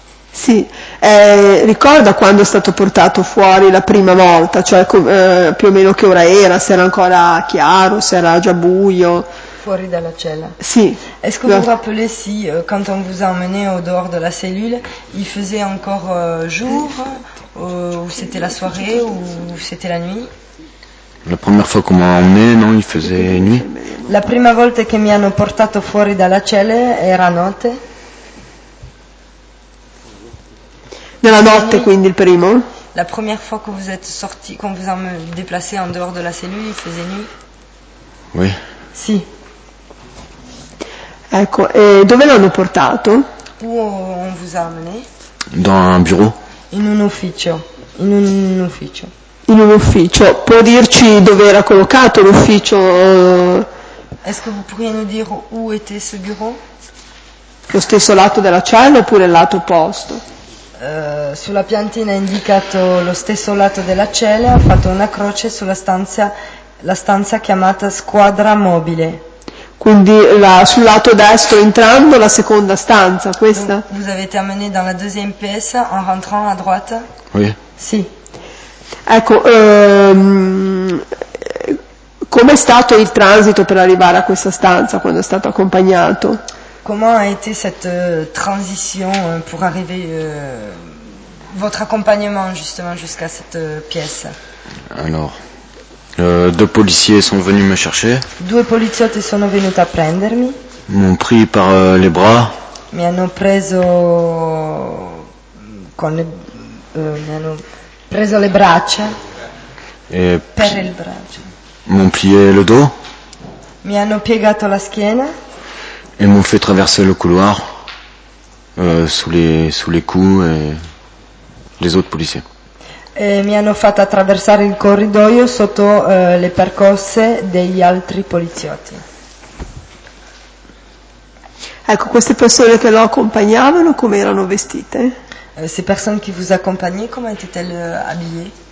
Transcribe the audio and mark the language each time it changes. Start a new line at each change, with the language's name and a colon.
Italian: Sì, ricorda quando è stato portato fuori la prima volta, cioè più o meno che ora era, se era ancora chiaro, se era già buio. Fuori dalla cella. Sì.
French: Est-ce que vous rappelez si, quand on vous a emmené au dehors de la cellule, il faisait encore jour, ou c'était la soirée, ou c'était la nuit?
Italian: La prima volta che mi hanno emmené, non,
French: il faisait nuit.
Italian: La prima volta che mi hanno portato fuori dalla cella era notte. Nella notte, quindi il primo.
French: La première fois que vous êtes sorti, quand vous avez déplacé en dehors de la cellule, il faisait nuit. Oui.
Italian: Si. Ecco, e dove l'hanno portato?
French: Où on vous a emmené? Dans un bureau.
Italian: In un ufficio. In un ufficio. In un ufficio, può dirci dove era collocato l'ufficio? Est-ce que vous pourriez nous dire où était ce bureau? Lo stesso lato della cella oppure il lato opposto? Sulla piantina ha indicato lo stesso lato della cella, ha fatto una croce sulla stanza, la stanza chiamata squadra mobile. Quindi sul lato destro entrando la seconda stanza, questa?
French: Donc, vous avez terminé dans la deuxième pièce en rentrant à droite? Oui.
Italian: Sì. Ecco, com'è stato il transito per arrivare a questa stanza quando è stato accompagnato?
French: Comment a été cette transition pour arriver votre accompagnement justement jusqu'à cette pièce? Alors, deux policiers sont venus me chercher.
Italian: Due poliziotti sono venuti a prendermi.
French: M'ont pris par les bras.
Italian: Mi hanno preso con le mi hanno preso le braccia.
French: Et
Italian: per il braccio.
French: M'ont plié le dos.
Italian: Mi hanno piegato la schiena.
French: Et m'ont fait traverser le couloir sous les coups et les autres policiers.
Italian: Et mi hanno fatto attraversare il corridoio sotto le percosse degli altri poliziotti. Ecco, queste persone che lo accompagnavano come erano vestite?
French: Ces personnes qui vous accompagnaient, comment étaient-elles habillées?